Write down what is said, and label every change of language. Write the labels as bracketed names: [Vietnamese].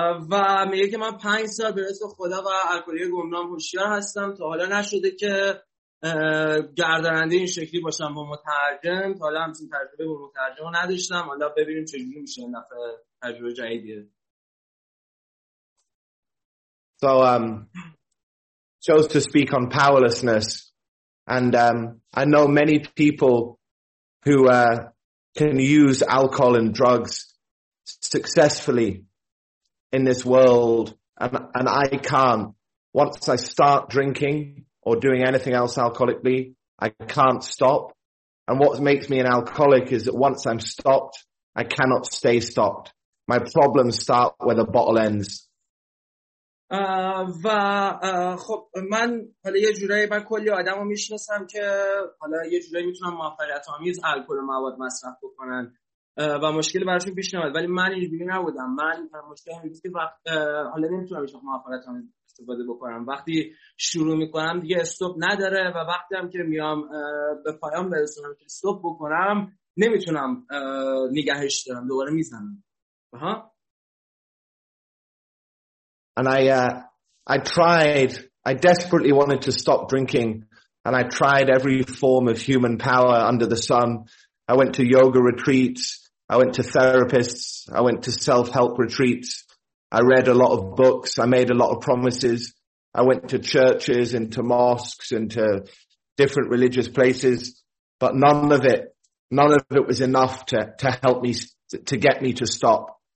[Persian] و میگه که من 5 سال به اسم خدا و الکلی گمنام هوشیار هستم. تا حالا نشده که گردننده این شکلی باشم با مترجم. تا حالا همچین تجربه با مترجم نداشتم. حالا ببینیم چجوری میشه این دفعه تجربه جدیدیه. [English] So chose to speak on powerlessness and I know many people who can use alcohol and drugs successfully in this world, and I can't. Once I start drinking or doing anything else alcoholically, I can't stop. And what makes me an alcoholic is that once I'm stopped, I cannot stay stopped. My problems start where the bottle ends. [Persian] و خب من حالا یه جورایی من کلی آدم رو میشناسم که حالا یه جورایی میتونم موفقیت‌آمیز الکل و مواد مصرف بکنن و مشکلی براشون پیش نمیاد، ولی من اینجوری نبودم. من مشکلی همین که وقت حالا نمیتونم بشه موفقیت‌آمیز استفاده بکنم. وقتی شروع میکنم دیگه استوب نداره و وقتی هم که میام به پایان برسونم که استوب بکنم نمیتونم نگهش دارم، دوباره میزنم. ها [English] And I tried, I desperately wanted to stop drinking and I tried every form of human power under the sun. I went to yoga retreats, I went to therapists, I went to self-help retreats, I read a lot of books, I made a lot of promises, I went to churches and to mosques and to different religious places, but none of it was enough to help me, to get me to stop.